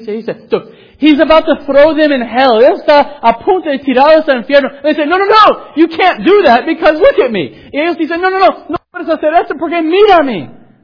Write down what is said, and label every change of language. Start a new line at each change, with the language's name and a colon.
English: So, he's about to throw them in hell.
Spanish: Él está a punto de tirarlos al infierno.
English: And they say, no, you can't do that because look at me.
Spanish: Y ellos dicen, no puedes hacer eso porque mírame.